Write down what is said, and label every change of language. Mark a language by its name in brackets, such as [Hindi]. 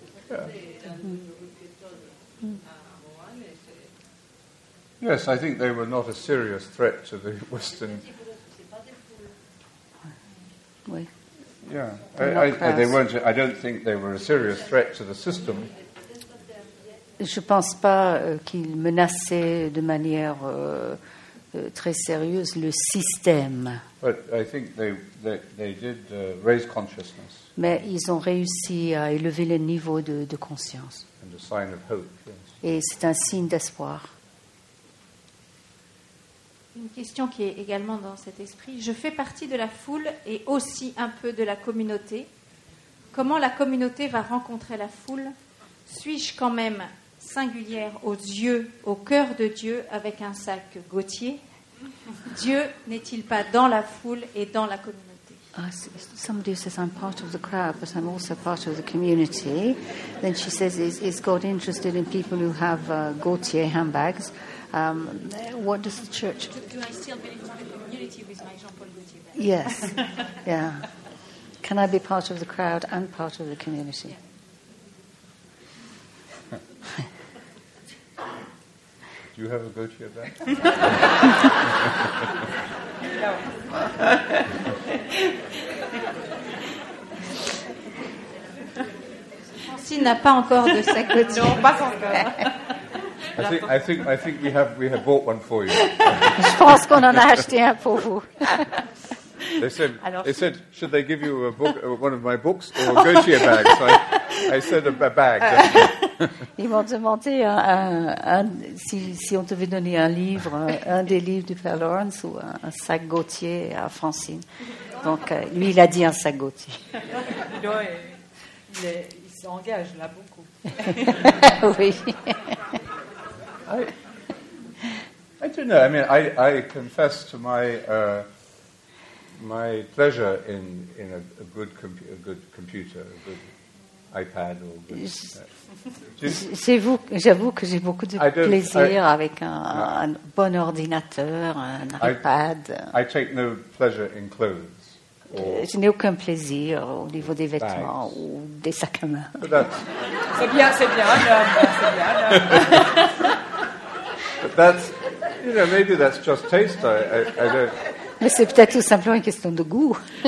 [English] Yeah. Mm-hmm. Yes, I think they were not a serious threat to the Western. [French] Oui. [English] Yeah. They weren't. I don't think they were a serious threat to the system. [French] Je ne pense pas qu'ils menaçaient de manière très sérieuse le système. [English] But I think they did raise consciousness. [French] Mais ils ont réussi à élever le niveau de conscience. [English] And a sign of hope, yes. [French] Et c'est un signe d'espoir. Une question qui est également dans cet esprit. Je fais partie de la foule et aussi un peu de la communauté. Comment la communauté va rencontrer la foule ? Suis-je quand même singulière aux yeux, au cœur de Dieu, avec un sac Gautier? Dieu n'est-il pas dans la foule et dans la communauté? [English] Somebody says, I'm part of the crowd, but I'm also part of the community. Then she says, is God interested in people who have Gautier handbags? What does the church... Do I still belong to the community with my Jean-Paul Gautier bag? Yes. Yeah. Can I be part of the crowd and part of the community? Do you have a Gautier bag? [French] Francine n'a pas encore de sac Gautier. Non, pas encore. [English] I think we have bought one for you. [French] Je pense qu'on en a acheté un pour vous. [English] They said, should they give you a book, one of my books, or a Gautier bag? So I said a bag. [French] Ils m'ont demandé si on devait donner un livre, un des livres du Père Lawrence ou un sac Gautier à Francine. Donc lui, il a dit un sac Gautier. Il s'engage là beaucoup. Oui. [English] I don't know. I mean, I confess to my pleasure in a good computer, a good iPad or good. [French] J'avoue que j'ai beaucoup de plaisir avec un bon ordinateur, un iPad. [English] I take no pleasure in clothes. [French] Je n'ai aucun plaisir au niveau des vêtements ou des sacs à main. C'est bien. [English] But that's, you know, maybe that's just taste. I don't. [French] Mais c'est peut-être tout simplement une question de goût.